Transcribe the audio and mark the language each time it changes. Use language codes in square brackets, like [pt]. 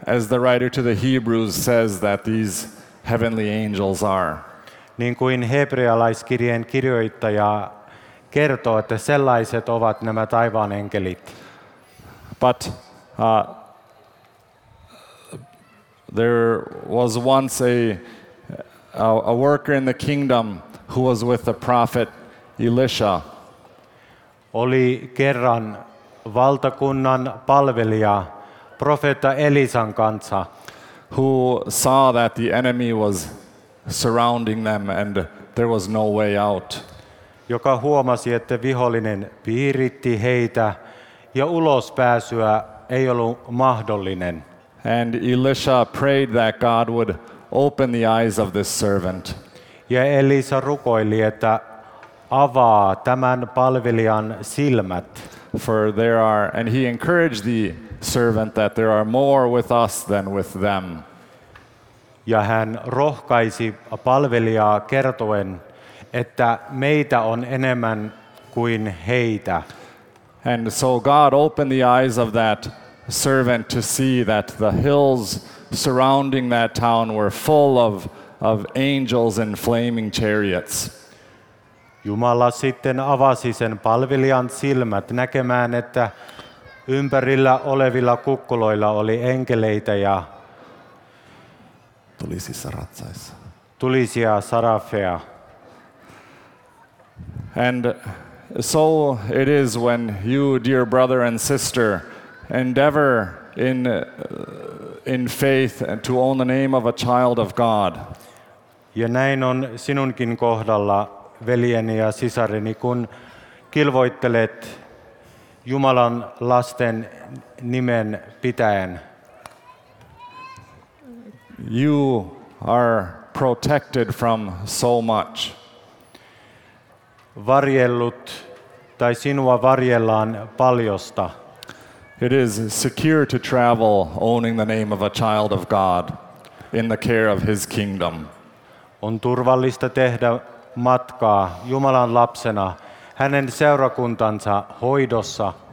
[en] As the writer to the Hebrews says that these heavenly angels are. [fi] Niin kuin hebrealaiskirjeen kirjoittaja kertoo, että sellaiset ovat nämä taivaan enkelit. [en] But there was once a worker in the kingdom who was with the prophet Elisha. [fi] Oli kerran valtakunnan palvelija profeetta Elisan kanssa, [en] who saw that the enemy was surrounding them and there was no way out. [fi] Joka huomasi, että vihollinen piiritti heitä ja ulospääsyä ei ollut mahdollinen. [en] And Elisha prayed that God would open the eyes of this servant. [fi] Ja Elisa rukoili, että avaa tämän palvelijan silmät. [en] For there are, and he encouraged the servant that there are more with us than with them. [fi] Ja hän rohkaisi palvelijaa kertoen, että meitä on enemmän kuin heitä. [en] And so God opened the eyes of that servant to see that the hills surrounding that town were full of angels in flaming chariots. [fi] Jumala sitten avasi sen palvelijan silmät näkemään, että ympärillä olevilla kukkuloilla oli enkeleitä ja tulisissa ratsaissa. Tulisia sarafeja. [en] And so it is when you, dear brother and sister, endeavor in faith to own the name of a child of God. [fi] Ja näin on sinunkin kohdalla, veljeni ja sisareni, kun kilvoittelet Jumalan lasten nimen pitäen. [en] You are protected from so much. [fi] Varjellut tai sinua varjellaan paljosta. [en] It is secure to travel owning the name of a child of God in the care of his kingdom. [fi] On turvallista tehdä matkaa Jumalan lapsena hänen seurakuntansa hoidossa.